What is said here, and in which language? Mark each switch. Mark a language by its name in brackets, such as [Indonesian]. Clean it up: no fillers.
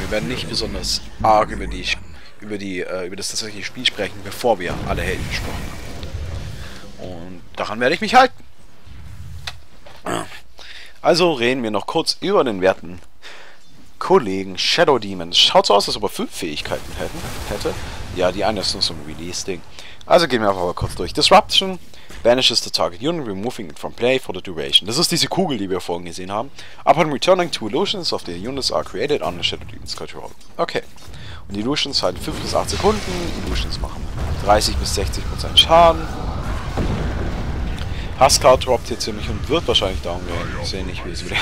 [German] Wir werden nicht besonders arg über die über das tatsächliche Spiel sprechen, bevor wir alle Helden besprochen haben. Und daran werde ich mich halten. Also reden wir noch kurz über den werten Kollegen Shadow Demon. Schaut so aus, als ob er 5 Fähigkeiten hätte. Ja, die eine ist nur so ein Release-Ding. Also gehen wir einfach mal kurz durch. [English] Disruption banishes the target unit, removing it from play for the duration. [German] Das ist diese Kugel, die wir vorhin gesehen haben. [English] Upon returning, 2 illusions of the units are created under Shadow Demon's control. Okay. [German] Und die Illusions halten 5 bis 8 Sekunden. Illusions machen 30 bis 60% Schaden. Haskar droppt hier ziemlich und wird wahrscheinlich downgehen. Ich sehe nicht, wie es wieder.